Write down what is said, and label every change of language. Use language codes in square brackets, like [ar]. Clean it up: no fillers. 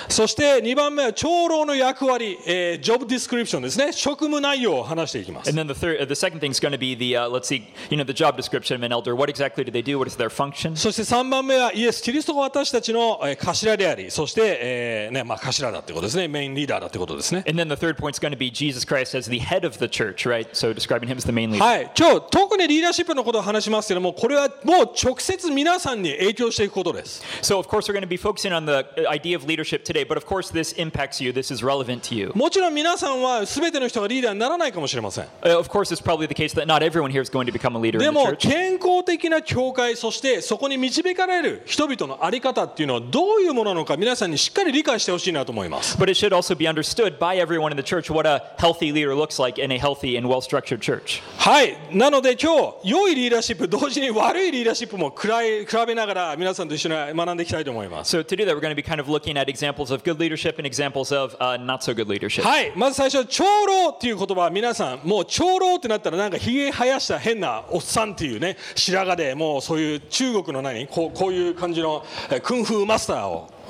[ja] そして2番目は長老の役割、ジョブディスクリプションですね、職務内容を話していきます。 [en] And then the second thing's going to be the let's see, you know, the job description of an elder. What exactly do they do? What is their function? [ja] そして3番目はイエス・キリストが私たちの頭であり、そして、ね、まあ、頭だってことですね、メインリーダーだってことですね。 [en] And then the third point's going to be JesusChrist as the head of the church, right? So describing him as the main leader. [ja] はい、今日特にリーダーシップのことを話しますけども、これはもう直接皆さんに影響していくことです。 [en] So of course we're going to be focusing on the idea of leadership today, but of course this impacts you. This is relevant to you. [ja] もちろん皆さんは全ての人がリーダーにならないかもしれません。 [en] Of course it's probably the case that not everyone here is going to become a leader in the church. [ja] でも健康的な教会、そしてそこに導かれる人々の在り方っていうのはどういうものなのか、皆さんにしっかり理解してほしいなと思います。 [en] But it should also be understood by everyone in the church what a healthhealthy leader looks like in a healthy and well-structured church. [ja] はい、なので今日良いリーダーシップ同時に悪いリーダーシップも比べながら皆さんと一緒に学んでいきたいと思います。 [en] So to do that, we're going to be kind of looking at examples of good leadership and examples of not so good leadership. [ja] はい、まず最初長老っていう言葉、皆さんもう長老ってなったらなんかひげ生やした変なおっさんっていうね、白髪でもうそういう中国の何、こういう感じのクンフーマスターを。